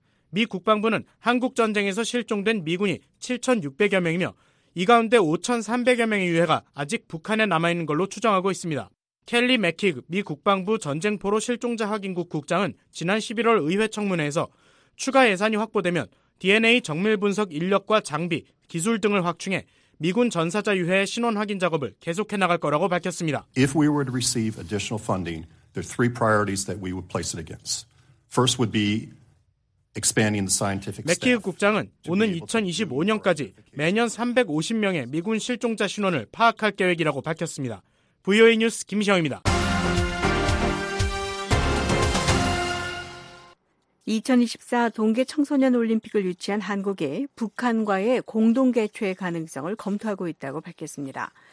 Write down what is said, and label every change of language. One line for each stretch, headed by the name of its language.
Korean: 미 국방부는 한국전쟁에서 실종된 미군이 7,600여 명이며 이 가운데 5,300여 명의 유해가 아직 북한에 남아있는 걸로 추정하고 있습니다. 켈리 맥킥 미 국방부 전쟁포로 실종자 확인국 국장은 지난 11월 의회 청문회에서 추가 예산이 확보되면 DNA 정밀 분석 인력과 장비, 기술 등을 확충해 미군 전사자 유해의 신원 확인 작업을 계속해 나갈 거라고 밝혔습니다.
English: If we were to receive additional funding, there are three priorities that we would place it against. First would be expanding the scientific staff.
Korean: 맥킥 국장은 오는 2025년까지 매년 350명의 미군 실종자 신원을 파악할 계획이라고 밝혔습니다. VOA 뉴스 김시영입니다. 2024 동계청소년올림픽을 유치한 한국이 북한과의 공동개최 가능성을 검토하고 있다고 밝혔습니다.